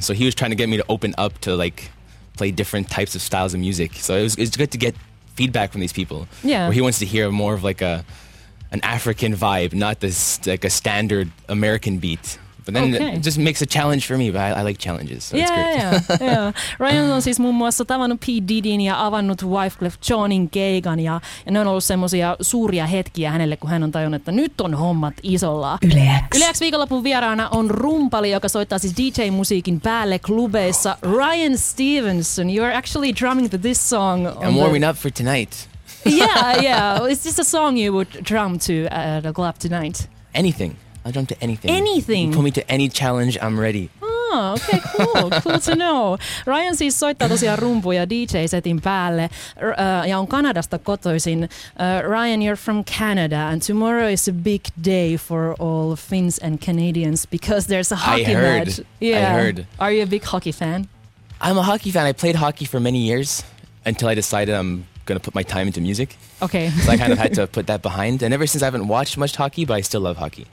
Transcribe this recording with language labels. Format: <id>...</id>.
<en>So he was trying to get me to open up to like play different types of styles of music. So it's good to get feedback from these people. Yeah, where he wants to hear more of like an African vibe, not this like a standard American beat. But then it just makes a challenge for me, but I like challenges. So yeah, it's great.</en> <fi>Ryan on siis muun muassa tavannut P. Diddyn ja avannut Wyclef Jeanin keikan, ja ne on ollut semmosia suuria hetkiä hänelle, kun hän on tajunnut, että nyt on hommat isolla. YleX viikonlopun vieraana on rumpali, joka soittaa siis DJ-musiikin päälle klubeissa.</fi> <en>Ryan Stevenson, you are actually drumming to this song. I'm warming up for tonight. yeah. Is this a song you would drum to at a club tonight? Anything. I'll drum to anything. Anything. You put me to any challenge, I'm ready. Oh, Okay, cool to know.</en> <fi>Ryan siis soittaa tosiaan rumpuja DJ-setin päälle ja on Kanadasta kotoisin.</fi> <en>Ryan, you're from Canada and tomorrow is a big day for all Finns and Canadians because there's a hockey match. Yeah. I heard. Are you a big hockey fan? I'm a hockey fan. I played hockey for many years until I decided I'm going to put my time into music. Okay. So I kind of had to put that behind. And ever since, I haven't watched much hockey, but I still love hockey.</en>